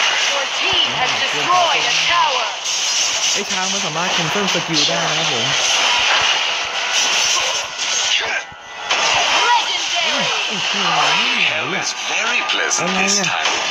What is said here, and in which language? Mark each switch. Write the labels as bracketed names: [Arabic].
[English] Your team has destroyed a tower. [Thai] ไอ้ช้างมันสามารถเคลื่อนสกิลได้นะครับผม Legendary. [English] Hell is very pleasant this time.